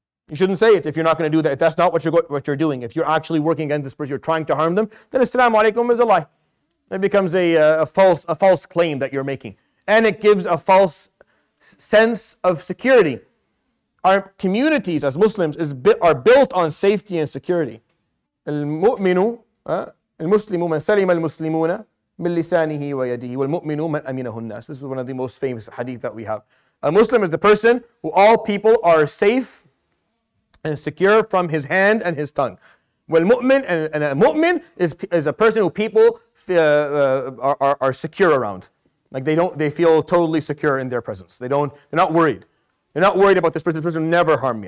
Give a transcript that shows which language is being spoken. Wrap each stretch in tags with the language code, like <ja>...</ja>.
<en>You shouldn't say it if you're not going to do that. If that's not what you're doing, if you're actually working against this person, you're trying to harm them, then assalamu alaykum is a lie. It becomes a false claim that you're making, and it gives a false sense of security. Our communities as Muslims are built on safety and security.</en> <ar>المؤمن المسلم من سلم المسلمون من لسانه ويده والمؤمن من أمينه الناس.</ar> <en>This is one of the most famous hadith that we have. A Muslim is the person who all people are safe and secure from his hand and his tongue. والمؤمن and a mu'min is a person who people are secure around. Like they feel totally secure in their presence. They're not worried. They're not worried about this person. This person will never harm me.</en>